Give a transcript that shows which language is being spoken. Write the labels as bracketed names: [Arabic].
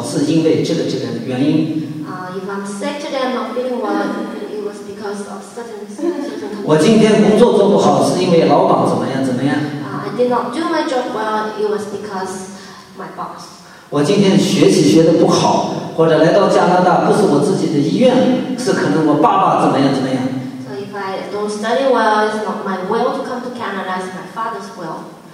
[Chinese] 那我今天情况不好，身体情况不好，是因为这个原因。 [English] If I'm sick today, I'm not feeling well, it was because of certain. [Chinese] 我今天工作做不好，是因为老板怎么样怎么样。 [English] I did not do my job well, it was because my boss. [Chinese] 我今天学习学的不好，或者来到加拿大不是我自己的意愿，是可能我爸爸怎么样怎么样。 [English] Don't study well, it's not my will to come to Canada, it's my father's will.